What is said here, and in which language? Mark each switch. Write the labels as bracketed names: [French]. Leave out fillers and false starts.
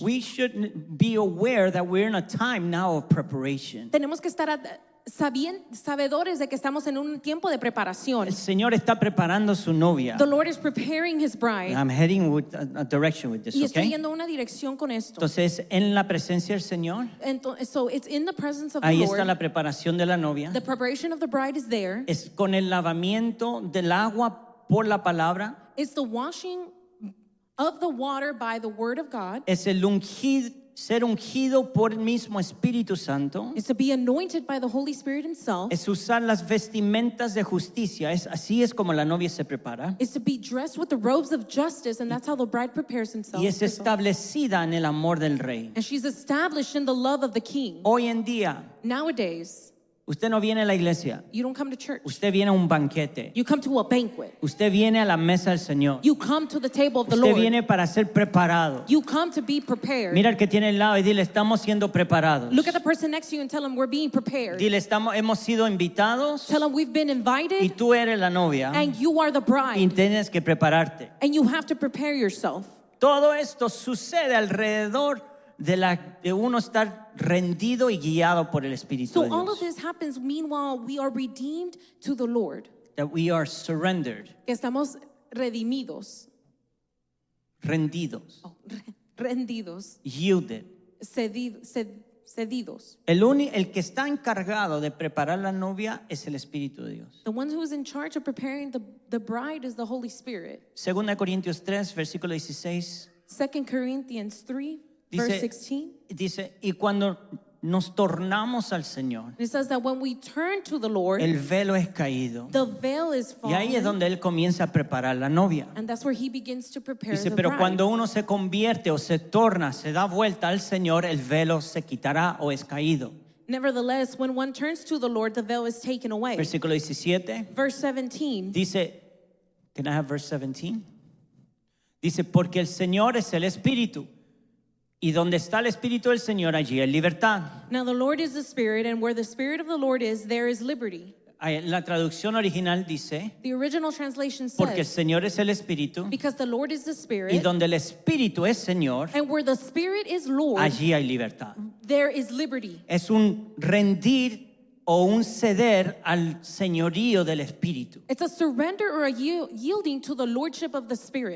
[English] We should be aware that we're in a time now of preparation. [Spanish] Tenemos que estar sabedores de que estamos en un tiempo de preparación. El Señor está preparando su novia. [English] The Lord is preparing his bride. I'm heading with a direction with this, [Spanish] y estoy yendo una dirección con esto. Entonces, en la presencia del Señor, [English] so it's in the presence of [Spanish] ahí [English] the [Spanish] está [English] Lord. [Spanish] La preparación de la novia. [English] The preparation of the bride is there. [Spanish] Es con el lavamiento del agua por la palabra. [English] It's the washing of the water by the word of God. [Spanish] Es el ungido, ser ungido por el mismo Espíritu Santo. [English] It's to be anointed by the Holy Spirit himself. [Spanish] Es usar las vestimentas de justicia. Así es como la novia se prepara. [English] It's to be dressed with the robes of justice, and that's how the bride prepares himself. [Spanish] Y es establecida en el amor del Rey. [English] And she's established in the love of the King. [Spanish] Hoy en día, [English] nowadays, [Spanish] usted no viene a la iglesia. [English] You don't come to church. [Spanish] Usted viene a un banquete. [English] You come to a banquet. [Spanish] Usted viene a la mesa del Señor. [English] You come to the table of the Lord. [Spanish] Usted viene para ser preparado. [English] You come to be prepared. [Spanish] Mira al que tiene al lado y dile: estamos siendo preparados. [English] Look at the person next to you and tell them we're being prepared. [Spanish] Dile: hemos sido invitados. [English] Tell them we've been invited. [Spanish] Y tú eres la novia. [English] And you are the bride. [Spanish] Y tienes que prepararte. [English] And you have to prepare yourself. [Spanish] Todo esto sucede alrededor de uno estar rendido y guiado por el Espíritu de Dios. [English] So all of this happens meanwhile we are redeemed to the Lord. That we are surrendered. [Spanish] Que estamos redimidos. Rendidos. Oh, rendidos. [English] Yielded. [Spanish] Cedidos. El que está encargado de preparar la novia es el Espíritu de Dios. [English] The one who is in charge of preparing the bride is the Holy Spirit. [Spanish] 2 Corintios 3, versículo 16. [English] 2 Corinthians 3. Verse 16. [Spanish] Dice, y cuando nos tornamos al Señor, [English] it says that when we turn to the Lord, [Spanish] el velo es caído. [English] The veil is fallen. [Spanish] Y ahí es donde él comienza a preparar la novia. [English] And that's where he begins to prepare [Spanish] dice, [English] the bride. [Spanish] Pero cuando uno se convierte o se torna, se da vuelta al Señor, el velo se quitará o es caído. [English] Nevertheless, when one turns to the Lord, the veil is taken away. [Spanish] Versículo 17. [English] Verse 17. [Spanish] Dice, [English] can I have verse 17? [Spanish] Dice, porque el Señor es el Espíritu. Y donde está el Espíritu del Señor, allí hay libertad. [English] Now the Lord is the Spirit, and where the Spirit of the Lord is, there is liberty. [Spanish] La traducción original dice, [English] the original translation says, [Spanish] porque el Señor es el Espíritu, [English] because the Lord is the Spirit, [Spanish] y donde el Espíritu es Señor, [English] and where the Spirit is Lord, [Spanish] allí hay libertad. [English] There is liberty. [Spanish] Es un rendir o un ceder al señorío del Espíritu. [English] It's a surrender or a yielding to the lordship of the Spirit.